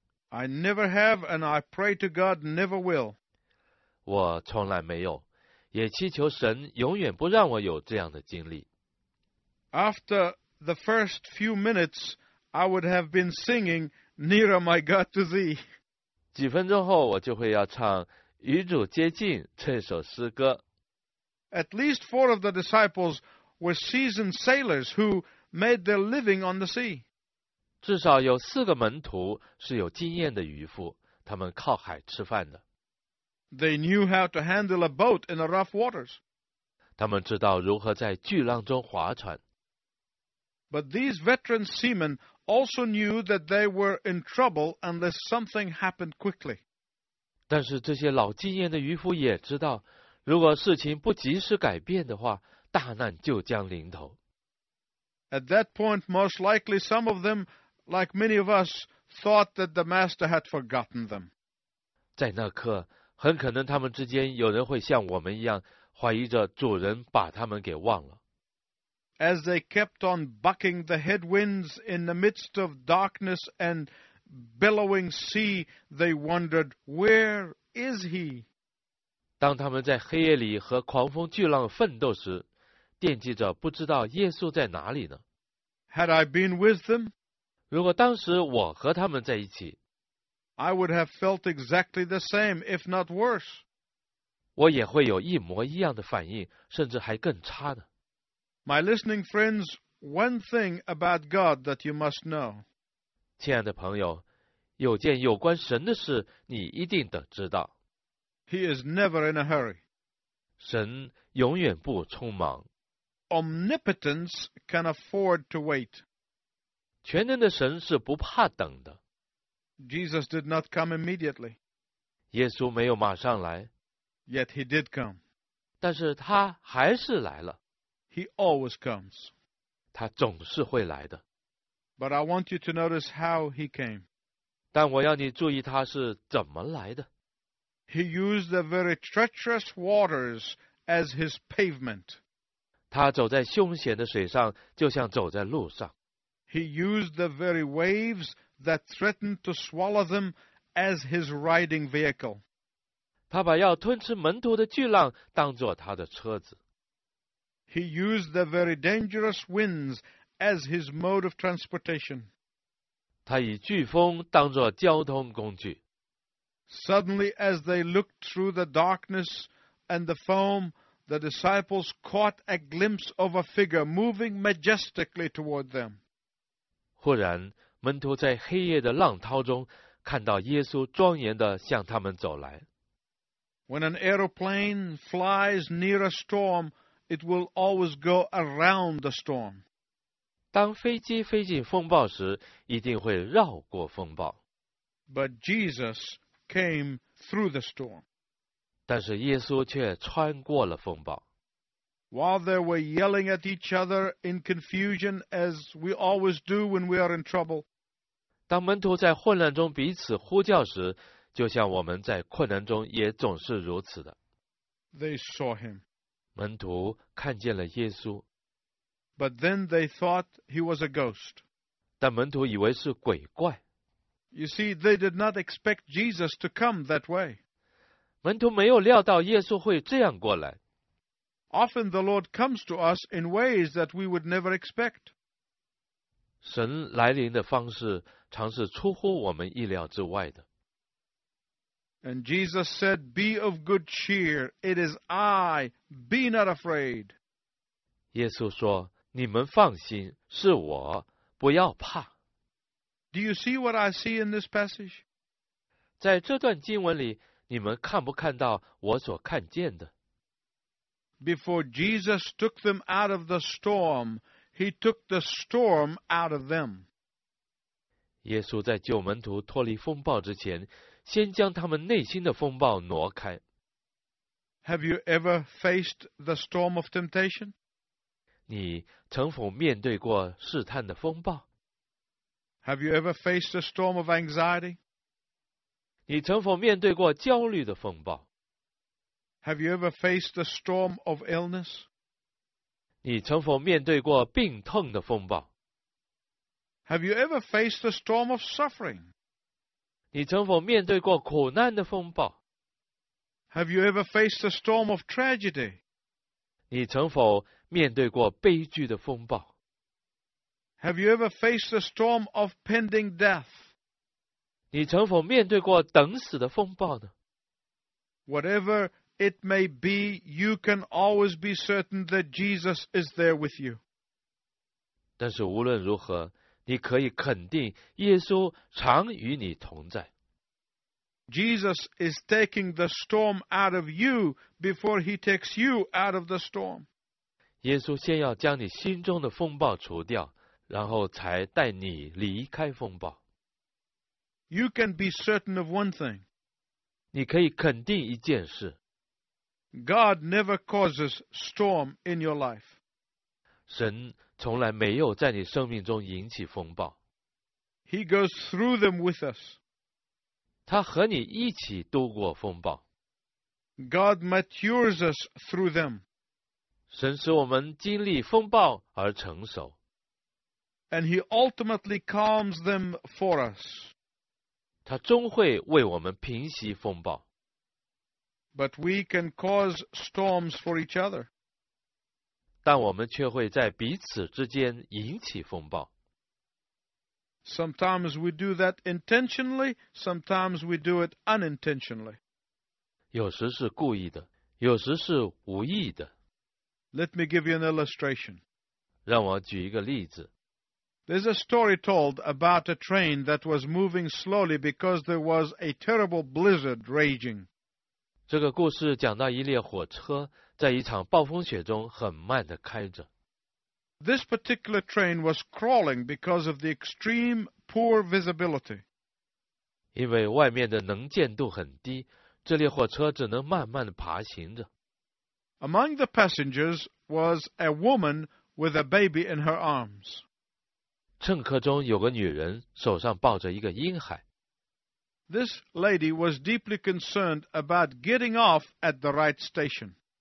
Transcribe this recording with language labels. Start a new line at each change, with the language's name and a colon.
English: I never have, and I pray to God never will.
Chinese: 我从来没有，也祈求神永远不让我有这样的经历。
English: After the first few minutes, I would have been singing, Nearer my God to thee.
Chinese: 几分钟后我就会要唱与主接近这首诗歌。
English: At least 4 of the disciples were seasoned sailors who made their living on the sea.
Chinese: 至少有四个门徒是有经验的渔夫，他们靠海吃饭的。
English: They knew how to handle a boat in the rough waters.
Chinese: 他们知道如何在巨浪中划船。
English: But these veteran seamen also knew that they were in trouble unless something happened quickly.
Chinese: 但是这些老经验的渔夫也知道，如果事情不及时改变的话，大难就将临头。
English: At that point, most likely some of them, like many of us, thought that the master had forgotten them.
Chinese: 在那刻，很可能他们之间有人会像我们一样，怀疑着主人把他们给忘了。
English: As they kept on bucking the headwinds in the midst of darkness and billowing sea, they wondered, "Where is he?"
Chinese: 当他们在黑夜里和狂风巨浪奋斗时，惦记着不知道耶稣在哪里呢。
English: Had I been with them?
Chinese: 如果当时我和他们在一起，
English: I would have felt exactly the same, if not worse.
Chinese: 我也会有一模一样的反应，甚至还更差呢。
English: My listening friends, one thing about God that you must know.
Chinese: 亲爱的朋友，有件有关神的事你一定得知道。
English: He is never in a hurry.
Chinese: 神永远不匆忙。
English: Omnipotence can afford to wait.
Chinese: 全能的神是不怕等的。
English: Jesus did not come immediately.
Chinese: 耶稣没有马上来。
English: Yet he did come.
Chinese: 但是他还是来了。
English: He always comes.
Chinese: 他总是会来的。
English: But I want you to notice how he came.
Chinese: 但我要你注意他是怎么来的。
English: He used the very treacherous waters as his pavement.
Chinese: 他走在凶险的水上，就像走在路上。
English: He used the very waves that threatened to swallow them as his riding vehicle.
Chinese: 他把要吞吃门徒的巨浪当作他的车子。
English: He used the very dangerous winds as his mode of transportation.
Chinese: 他以飓风当作交通工具。
English: Suddenly, as they looked through the darkness and the foam, the disciples caught a glimpse of a figure moving majestically toward them.
Chinese: 忽然，门徒在黑夜的浪涛中看到耶稣庄严地向他们走来。
English: When an aeroplane flies near a storm, it will always go around the storm.
Chinese: 当飞机飞进风暴时，一定会绕过风暴。
English: But Jesus came through the storm.
Chinese: 但是耶稣却穿过了风暴。
English: While they were yelling at each other in confusion, as we always do when we are in trouble.
Chinese: 当门徒在混乱中彼此呼叫时，就像我们在困难中也总是如此的。
English: They saw him.
Chinese: 门徒看见了耶稣。
English: But then they thought he was a ghost.
Chinese: 但门徒以为是鬼怪。
English: You see, they did not expect Jesus to come that way.
Chinese: 门徒没有料到耶稣会这样过来。
English: Often the Lord comes to us in ways that we would never expect.
Chinese: 神来临的方式常是出乎我们意料之外的。
English: And Jesus said, Be of good cheer, it is I, be not afraid.
Chinese: 耶稣说，你们放心，是我，不要怕。
English: Do you see what I see in this passage?
Chinese: 在这段经文里，你们看不看到我所看见的？
English: Before Jesus took them out of the storm, he took the storm out of them.
Chinese: 耶稣在救门徒脱离风暴之前，先将他们内心的风暴挪开。
English: Have you ever faced the storm of temptation?
Chinese: 你曾否面对过试探的风暴？
English: Have you ever faced a storm of anxiety?
Chinese: 你曾否面对过焦虑的风暴？
English: Have you ever faced a storm of illness?
Chinese: 你曾否面对过病痛的风暴？
English: Have you ever faced a storm of suffering?
Chinese: 你曾否面对过苦难的风暴？
English: Have you ever faced a storm of tragedy?
Chinese: 你曾否面对过悲剧的风暴？
English: Have you ever faced a storm of pending death?
Chinese: 你曾否面对过等死的风暴呢？
English: Whatever it may be, you can always be certain that Jesus is there with you.
Chinese: 但是无论如何，你可以肯定耶稣常与你同在。
English: Jesus is taking the storm out of you before he takes you out of the storm.
Chinese: 耶稣先要将你心中的风暴除掉，然后才带你离开风暴。
English: You can be certain of one thing.
Chinese: 你可以肯定一件事。
English: God never causes storm in your life.
Chinese: 神从来没有在你生命中引起风暴。
English: He goes through them with us.
Chinese: 他和你一起度过风暴。
English: God matures us through them.
Chinese: 神使我们经历风暴而成熟。
English: And he ultimately calms them for us.
Chinese: 他终会为我们平息风暴。
English: But we can cause storms for each other.
Chinese: 但我们却会在彼此之间引起风暴。
English: Sometimes we do that intentionally, sometimes we do it unintentionally.
Chinese: 有时是故意的，有时是无意的。
English: Let me give you an illustration.
Chinese: 让我举一个例子。
English: There's a story told about a train that was moving slowly because there was a terrible blizzard raging.
Chinese: 这个故事讲到一列火车在一场暴风雪中很慢地开着。
English: This particular train was crawling because of the extreme poor visibility.
Chinese: 因为外面的能见度很低，这列火车只能慢慢地爬行着。
English: Among the passengers was a woman with a baby in her arms.
Chinese: 乘客中有个女人，手上抱着一个婴孩。
English: This lady was deeply concerned about getting off at the right station.